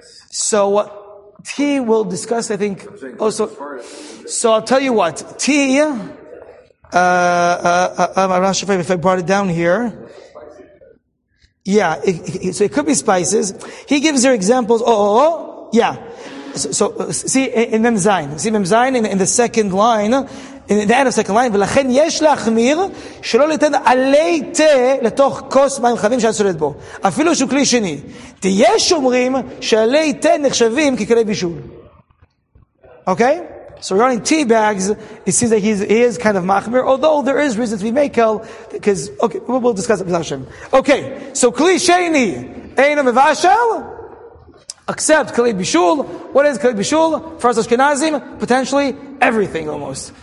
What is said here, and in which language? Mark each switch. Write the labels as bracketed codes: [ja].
[en] So, tea we'll discuss, I think, also. So I'll tell you what. Tea, I'm not sure if I brought it down here. Yeah, so it could be spices. He gives her examples. Yeah. So see, in Mem Zayin. See, Mem Zayin, in the second line, [he] in the end of second line, ולכן יש להחמיר שלא לתן עלי תה לתוך כוס מים חמים שאת סולדת בו. אפילו שהוא כלי שני. תהיה שומרים שעלי תה נחשבים ככלי בישול. [en] Okay? So regarding tea bags, it seems that he is kind of machmir, although there is reason to be mekel, because, okay, we'll discuss it with Hashem. Okay, so [he] kli sheni, eino mevashel, [en] except kli bishul. What is kli bishul? For us Ashkenazim, potentially everything almost.